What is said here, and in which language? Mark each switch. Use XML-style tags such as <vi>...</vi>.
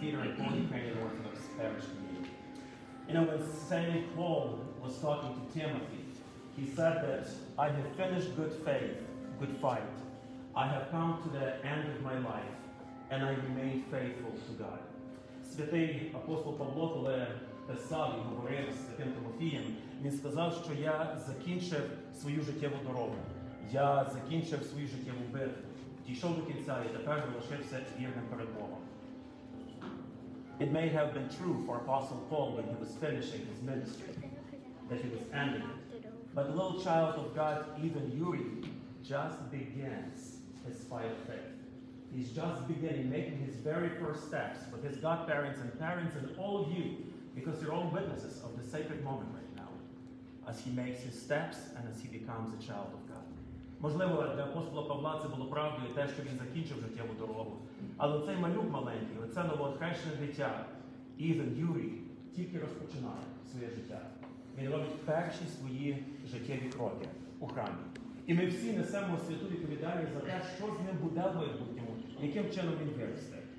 <en>Peter and full Ukrainian Orthodox Parish community. You know, when St. Paul was talking to Timothy, he said that, I have finished good faith, good fight. I have come to the end of my life, and I remain faithful to God.</en> <uk>Святий апостол Павло, коли писав і говорив з Святим Тимофієм, він сказав, що я закінчив свою життєву дорогу. Я закінчив свою життєву битву. Дійшов до кінця, і тепер залишився вірним перед Богом.</uk> <en>It may have been true for Apostle Paul when he was finishing his ministry, that he was ending it. But the little child of God, even Yuri, just begins his fight of faith. He's just beginning, making his very first steps with his godparents and parents and all of you, because you're all witnesses of the sacred moment right now, as he makes his steps and as he becomes a child of God.</en> <uk>Можливо, для апостола Павла це було правдою те, що він закінчив життєву дорогу. Але цей малюк маленький, оце новоохрещене дитя,</uk> <en>even</en> <uk>Yuri, тільки розпочинає своє життя. Він робить перші свої життєві кроки у храмі. І ми всі несемо святу відповідальність за те, що з ним буде в майбутньому, яким чином він виросте.</uk>